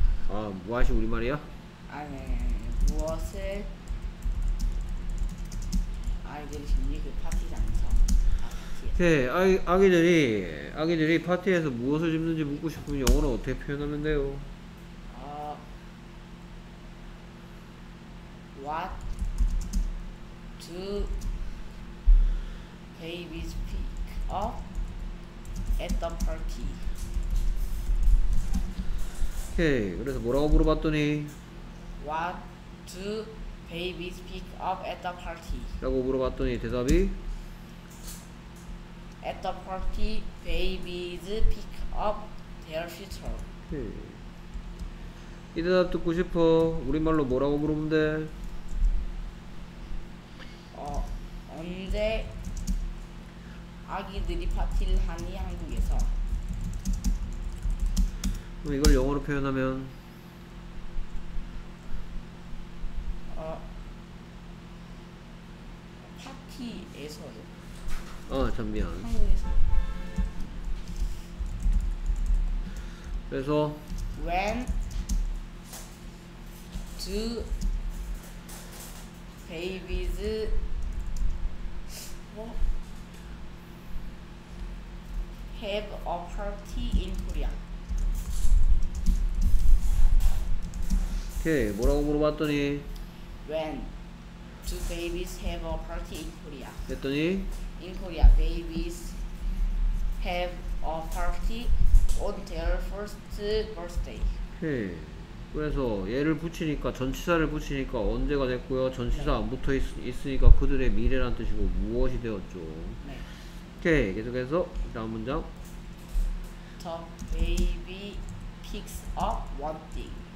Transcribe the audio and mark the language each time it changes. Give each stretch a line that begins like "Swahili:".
Korean: 아, 무엇이 우리말이야? 아니 무엇을 아이들이 즐기고 파티장에서 네, 아기들이 파티에서 무엇을 집는지 묻고 싶으면 영어로 어떻게 표현하면 돼요?
English: What do babies pick up at the party?
Korean: 오케이, 그래서 뭐라고 물어봤더니?
English: What do babies pick up at the party?
Korean: 라고 물어봤더니 대답이?
English: At the party, babies pick up their future.
Korean: 이 대답 듣고 싶어. 우리말로 뭐라고 물어본대? 언제 아기들이 파티를 하니 한국에서? 그럼 이걸 영어로 표현하면 파티에서요? 참 미안. 한국에서. 그래서
English: When do babies 뭐 have a party in Korea?
Korean: 오케이, 뭐라고 물어봤더니
English: When do babies have a party in Korea?
Korean: 했더니
English: In Korea, babies have a party on their first birthday.
Korean: 오케이, 그래서 얘를 붙이니까 전치사를 붙이니까 언제가 됐고요. 전치사 안 붙어 있으니까 그들의 미래란 뜻이고 무엇이 되었죠? 오케이, 계속해서 다음 문장.
English: baby picks up one thing.